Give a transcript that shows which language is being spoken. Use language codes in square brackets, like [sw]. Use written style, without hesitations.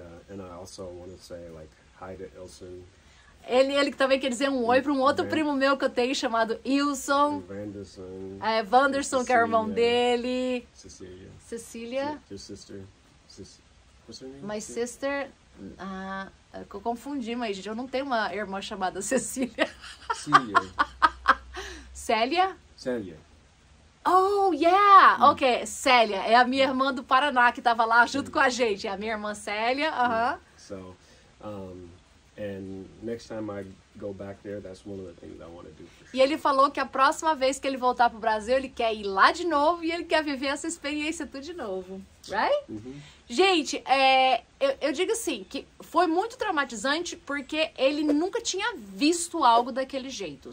[en] And I also want to say like hi to Ilson. [pt] Ele também quer dizer um oi para um outro primo meu que eu tenho chamado Ilson. Vanderson. Vanderson, que é irmão dele. Cecília. Cecília. [en] Your sister. What's her name? My sister. [pt] Eu confundi, mas gente, eu não tenho uma irmã chamada Cecília. Célia. [en] Célia. Oh, yeah! [pt] Ok, Célia, é a minha irmã do Paraná que estava lá junto com a gente. É a minha irmã Célia, [en] So, and next time I go back there, that's one of the things I want to do. [pt] E ele falou que a próxima vez que ele voltar para o Brasil, ele quer ir lá de novo e ele quer viver essa experiência tudo de novo, [en] right? [pt] Gente, eu digo assim, que foi muito traumatizante porque ele nunca tinha visto algo daquele jeito.